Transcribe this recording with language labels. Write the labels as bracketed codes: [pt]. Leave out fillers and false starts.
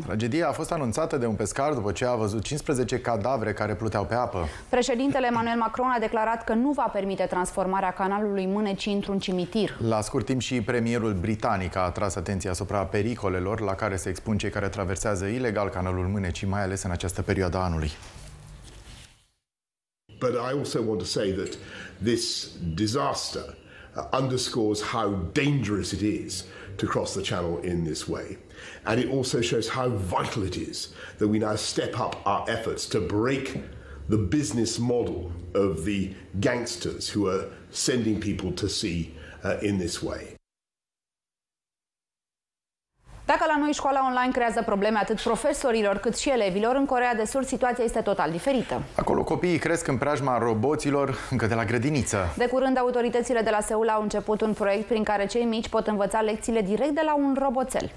[ro] Tragedia a fost anunțată de un pescar după ce a văzut 15 cadavre care pluteau pe apă. Președintele Emmanuel Macron a declarat că nu va permite transformarea canalului Mânecii într-un cimitir. La scurt timp și premierul britanic a atras atenția asupra pericolelor la care se expun cei care traversează ilegal canalul Mânecii, mai ales în această perioada anului. [en] But I also want to say that this disaster underscores how dangerous it is to cross the channel in this way. And it also shows how vital it is that we now step up our efforts to break the business model of the gangsters who are sending people to sea in this way. [ro] Dacă la noi școala online creează probleme atât profesorilor cât și elevilor, în Coreea de Sud situația este total diferită. Acolo copiii cresc în preajma roboților încă de la grădiniță. De curând, autoritățile de la Seul au început un proiect prin care cei mici pot învăța lecțiile direct de la un roboțel.